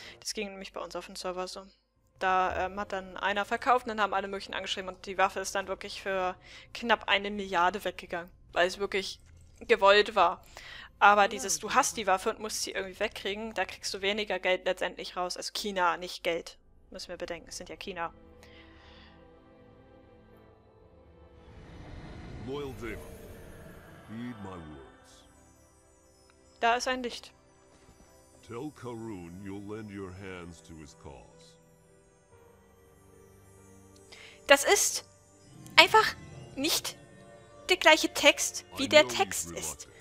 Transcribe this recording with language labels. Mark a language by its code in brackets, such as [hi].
[de] Das ging nämlich bei uns auf dem Server so. Da hat dann einer verkauft und dann haben alle möglichen angeschrieben und die Waffe ist dann wirklich für knapp 1 Milliarde weggegangen, weil es wirklich gewollt war. Aber dieses, du hast die Waffe und musst sie irgendwie wegkriegen, da kriegst du weniger Geld letztendlich raus. Also China, nicht Geld. Müssen wir bedenken, es sind ja China. [en] Loyal Demon, heed my words. [de] Da ist ein Licht. [en] Tell Karun, you'll lend your hands to his cause. [de] Das ist einfach nicht der gleiche Text, wie der Text ist.